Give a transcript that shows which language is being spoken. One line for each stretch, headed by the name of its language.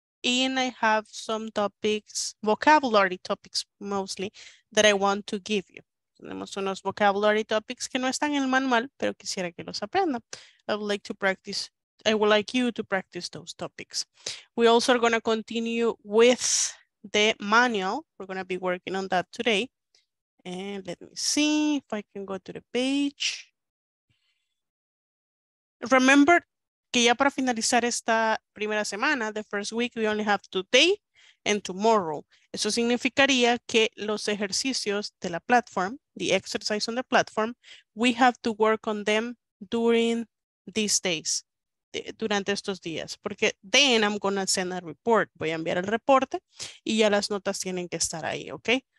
English: and I have some topics, vocabulary topics mostly, that I want to give you.
Spanish: Tenemos unos
English: vocabulary topics
Spanish: que no están en el manual, pero quisiera que los aprendan.
English: I would like to practice, I would like you to practice those topics. We also are going to continue with the manual. We're going to be working on that today. And let me see if I can go to the page. Remember
Spanish: que ya para finalizar esta primera semana,
English: the first week, we only have today and tomorrow.
Spanish: Eso significaría que los ejercicios de la
English: platform, the exercise on the platform, we have to work on them during these days,
Spanish: durante estos días.
English: Porque then I'm going to send a report.
Spanish: Voy a enviar el reporte y ya las notas tienen que estar ahí, okay?